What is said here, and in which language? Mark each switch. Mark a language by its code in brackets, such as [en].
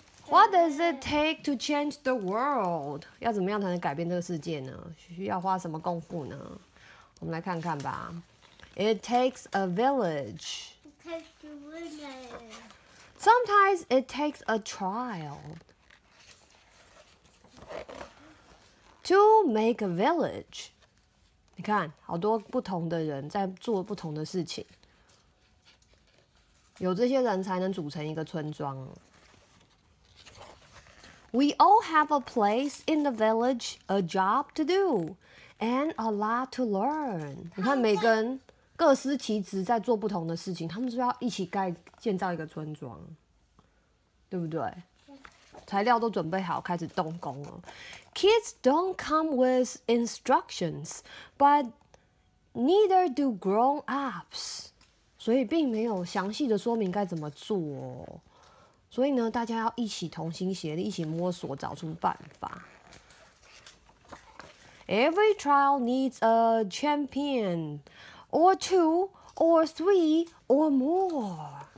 [en] What does it take to change the world? [zh] 要怎么样才能改变这个世界呢？需要花什么功夫呢？我们来看看吧。 [en] It takes a village. It takes a village. Sometimes it takes a child. To make a village. [zh] 你看，好多不同的人在做不同的事情。有这些人才能组成一个村庄。 [en] We all have a place in the village, a job to do, and a lot to learn. [zh] 你看，每个人各司其职，在做不同的事情。他们是要一起盖建造一个村庄，对不对？材料都准备好，开始动工了。 [en] Kids don't come with instructions, but neither do grown-ups. [zh] 所以并没有详细的说明该怎么做。所以呢，大家要一起同心协力，一起摸索，找出办法。 [en] Every trial needs a champion, or two, or three, or more.